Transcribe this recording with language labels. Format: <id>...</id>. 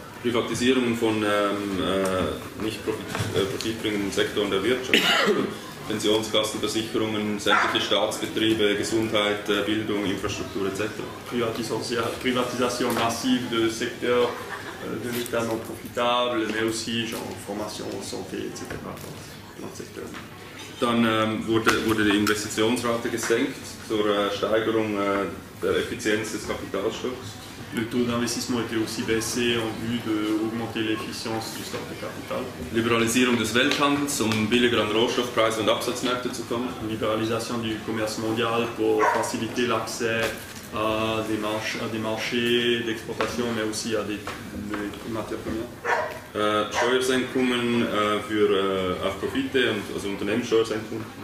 <de>Privatisierung von nicht profitbringenden Sektoren der Wirtschaft. Pensionskassen, Versicherungen, sämtliche Staatsbetriebe, Gesundheit, Bildung, Infrastruktur, etc.</de> <fr>Privatisation massive de secteurs de l'État non profitable, mais aussi genre Formation, Santé, etc. Dans le secteur.</fr> <de>Dann wurde die Investitionsrate gesenkt zur Steigerung der Effizienz des Kapitalstocks.</de> <fr>Le taux d'investissement était aussi baissé en vue d'augmenter l'efficience du stock de capital.</fr> <de>Liberalisierung des Welthandels, um billiger an Rohstoffpreise und Absatzmärkte zu kommen.</de> <fr>Liberalisation du commerce mondial pour faciliter l'accès à des marchés d'exportation, mais aussi à des matières premières.</fr> <de>Steuersenkungen für auf Profite, also Unternehmenssteuersenkungen.</de>